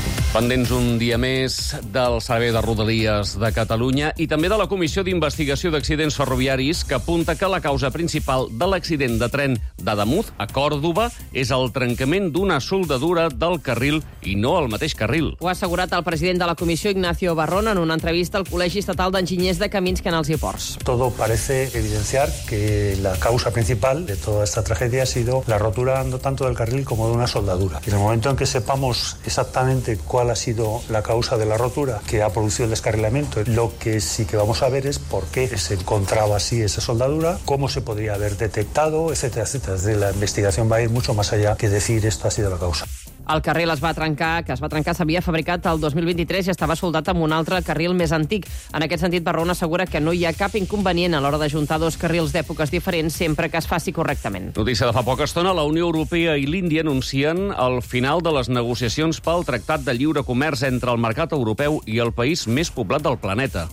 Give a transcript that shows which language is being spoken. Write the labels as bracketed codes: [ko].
[ca] Pendents un dia més del Servei de Rodalies de Catalunya i també de la Comissió d'Investigació d'Accidents Ferroviaris, que apunta que la causa principal de l'accident de tren d'Ademuz a Còrdoba és el trencament d'una soldadura del carril i no el mateix carril. Ho ha assegurat el president de la Comissió, Ignacio Barrón, en una entrevista al Col·legi Estatal d'Enginyers de Camins, Canals i Ports. [es] Todo parece evidenciar que la causa principal de toda esta tragedia ha sido la rotura tanto del carril como de una soldadura. Y en el momento en que sepamos exactamente cuál ha sido la causa de la rotura que ha producido el descarrilamiento, lo que sí que vamos a ver es por qué se encontraba así esa soldadura, cómo se podría haber detectado, etcétera, etcétera. De la investigación va a ir mucho más allá que decir esto ha sido la causa. [ca] El carril es va trencar, que es va trencar, s'havia fabricat el 2023 i estava soldat amb un altre carril més antic. En aquest sentit, Barrón assegura que no hi ha cap inconvenient a l'hora d'ajuntar dos carrils d'èpoques diferents sempre que es faci correctament. Notícia de fa poca estona, la Unió Europea i l'Índia anuncien el final de les negociacions pel Tractat de Lliure Comerç entre el mercat europeu i el país més poblat del planeta.